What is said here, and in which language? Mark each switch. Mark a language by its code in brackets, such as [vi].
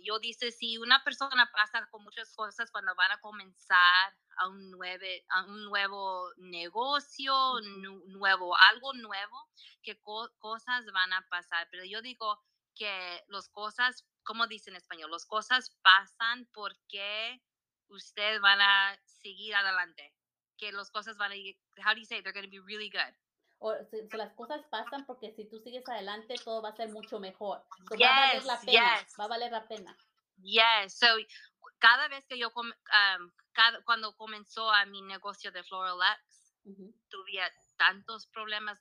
[es] Yo dice, si una persona pasa con muchas cosas cuando van a comenzar a un nuevo negocio, algo nuevo, qué cosas van a pasar. Pero yo digo que las cosas, como dice en español, las cosas pasan porque ustedes van a seguir adelante. Que las cosas van a ir, [en] how do you say, they're going to be really good. [es] O sea, las cosas pasan porque si tú sigues adelante, todo va a ser mucho mejor. Va a valer la pena. So, cada vez que yo, cuando comenzó a mi negocio de Floral X, tuve tantos problemas.